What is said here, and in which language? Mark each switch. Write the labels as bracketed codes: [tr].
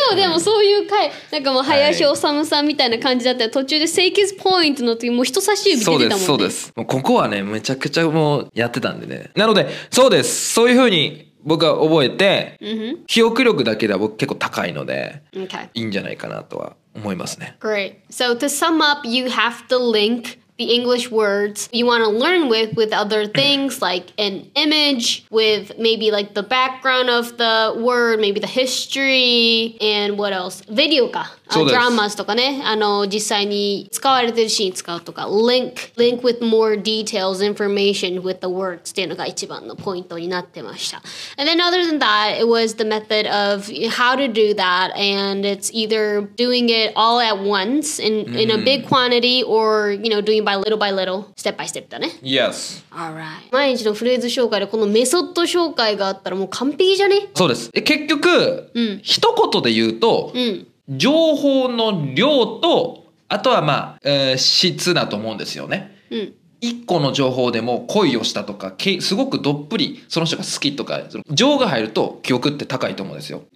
[ja] 今日でもそういう回、うん、なんかもう林修さんみたいな感じだったら、はい、途中で [en] Seek his point [ja] の時もう人差し指出てたもんね。そうですそうです、もうここはねめちゃくちゃもうやってたんでね。なのでそうです、そういう風に僕は覚えて、記憶力だけでは僕結構高いので、 [en] okay. [ja] いいんじゃないかなとは思いますね。 [en] Great. So to sum up, you have to link the English words you want to learn with other things like an image, with maybe like the background of the word, maybe the history, and what else? [ja] Video か。Dramas とかね、あの実際に使われてるシーン使うとか、 [en] link with more details, information with the words [ja] っていうのが一番のポイントになってました。 [en] And then other than that, it was the method of how to do that, and it's either doing it all at once in a big quantity, or you know, doing by little, step by step [ja] だね。 [en] Yes. Alright. [ja] 毎日のフレーズ紹介でこのメソッド紹介があったらもう完璧じゃね？そうです。結局、一言で言うと、情報の量と、あとはまあ、質だと思うんですよね。うん、 1個の情報でも恋をしたとか、すごくどっぷりその人が好きとか、情が入ると記憶って高いと思うんですよ。